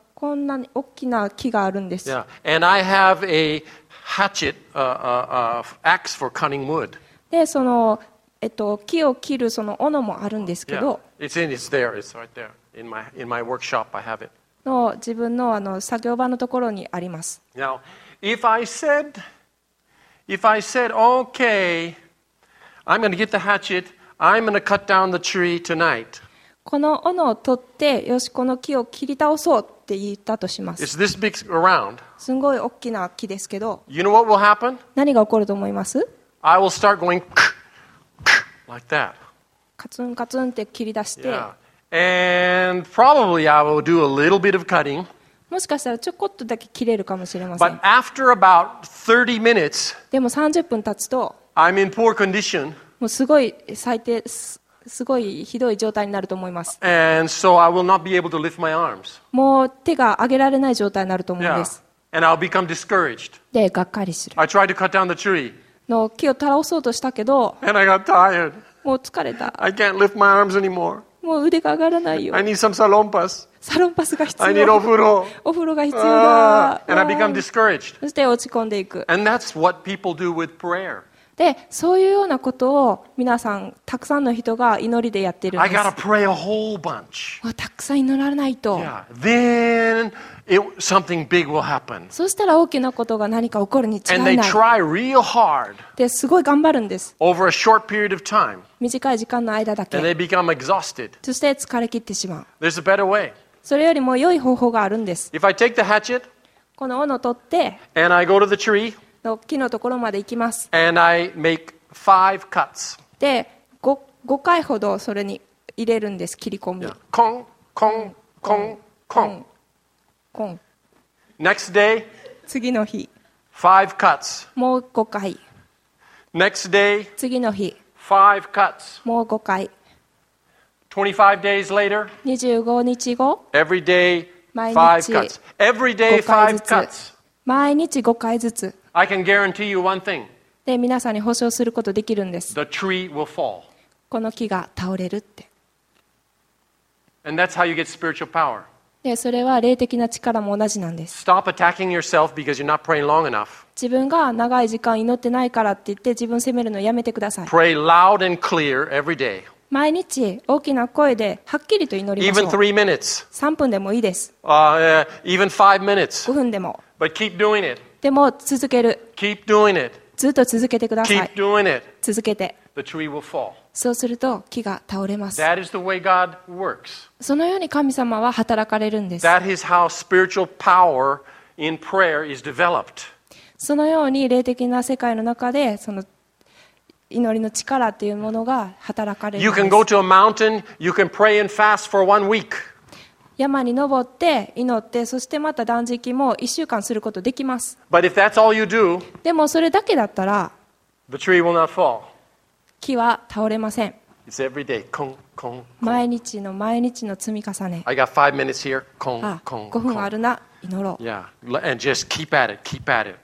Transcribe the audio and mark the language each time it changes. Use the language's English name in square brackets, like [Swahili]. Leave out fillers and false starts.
[Japanese] こんなに大きな木があるんです。 [English] Yeah. And I have a hatchet, axe for cutting wood. [Japanese] で、その、木を切るその斧もあるんですけど。 [English] Yeah. It's there. It's right there. In my workshop, I have it. [Japanese] の自分の作業場のところにあります。 [English] Now, if I said, okay, I'm going to get the hatchet. I'm going to cut down the tree tonight. [Japanese] この斧を取ってよしこの木を切り倒そうって言ったとします。 [English] It's this big around. [Japanese] すごい大きな木ですけど、 [English] you know what will happen? [Japanese] 何が起こると思います？ [English] I will start going クク like that. [Japanese] カツンカツンって切り出して、 [English] yeah. And probably I will do a little bit of cutting. [Japanese] もしかしたらちょこっとだけ切れるかもしれません。 [English] But after about 30 minutes, [Japanese] でも30分経つと [English] I'm in poor condition. [Japanese] もうすごい最低すごいひどい状態になると思います。 [English] And so I will not be able to lift my arms. [Japanese] もう手が上げられない状態になると思うんです。 [English] Yeah. And I'll become discouraged. [Japanese] で、がっかりする。 [English] I tried to cut down the tree. [Japanese] の木を倒そうとしたけど。 [English] And I got tired. [Japanese] もう疲れた。 [English] I can't lift my arms anymore. [Japanese] もう腕が上がらないよ。 [English] I need some salonpas. [Japanese] サロンパスが必要。 [English] I need [Japanese] お風呂。お風呂が必要だ。 [English] And I become discouraged. [Japanese] そして落ち込んでいく。 [English] And that's what people do with prayer. [Japanese] でそういうようなことを皆さんたくさんの人が祈りでやっているんです。 [English] I gotta pray a whole bunch. たくさん祈らないと。 Yeah. Then something big will happen. [Japanese] そしたら大きなことが何か起こるに違いない。 [English] And they try real hard. [Japanese] ですごい頑張るんです。 [English] Over a short period of time. [Japanese] 短い時間の間だけ。 [English] And they become exhausted. [Japanese] そして疲れ切ってしまう。 [English] There's a better way. [Japanese] それよりも良い方法があるんです。 [English] If I take the hatchet. [Japanese] この斧を取って。 [English] And I go to the tree. [Japanese] の木のところまで行きます。 [English] And I make five cuts. [Japanese] で、5回ほどそれに入れるんです、切り込み。 Yeah. コン、コン、コン、コン。コン。 [English] Next day, [Japanese] 次の日。 [English] Five cuts. [Japanese] もう5回。 [English] Next day, [Japanese] 次の日。 [English] Five cuts. [Japanese] もう5回。 [English] 25 days later, [Japanese] 25日後。 [English] Every day, [Japanese] 毎日5 [English] cuts. Every day, 5 cuts. [Japanese] 毎日5回ずつ。 [English] I can guarantee you one thing. [Japanese] で、皆さんに保証することできるんです。 [English] The tree will fall. [Japanese] この木が倒れるって。 [English] And that's how you get spiritual power. [Japanese] で、それは霊的な力も同じなんです。 [English] Stop attacking yourself because you're not praying long enough. [Japanese] 自分が長い時間祈ってないからって言って自分を責めるのをやめてください。 [English] Pray loud and clear every day. [Japanese] 毎日大きな声ではっきりと祈りましょう。 [English] Even 3 minutes. [Japanese] 3分でもいいです。 [English] Even 5 minutes. [Japanese] 5分でも。 [English] But keep doing it. [Japanese] でも続ける。 [English] Keep doing it. [Japanese] ずっと続けてください。 [English] Keep doing it. [Japanese] 続けて。 [English] The tree will fall. [Japanese] そうすると木が倒れます。 [English] That is the way God works. [Japanese] そのように神様は働かれるんです。 [English] That is how spiritual power in prayer is developed. [Japanese] そのように霊的な世界の中でその祈りの力っていうものが働かれるんです。 [English] You can go to a mountain, you can pray and fast for one week. [Japanese] 山に登って祈って、そしてまた断食も一週間することできます。 [English] But if that's all you do, [Japanese] でもそれだけだったら、 [English] the tree will not fall. [Japanese] 木は倒れません。 [English] It's every day, コンコン。 [Japanese] 毎日の毎日の積み重ね。 [English] I got five minutes here, コンコン。 [Japanese] 五分あるな。祈ろう。 [English] Yeah, and just keep at it, keep at it.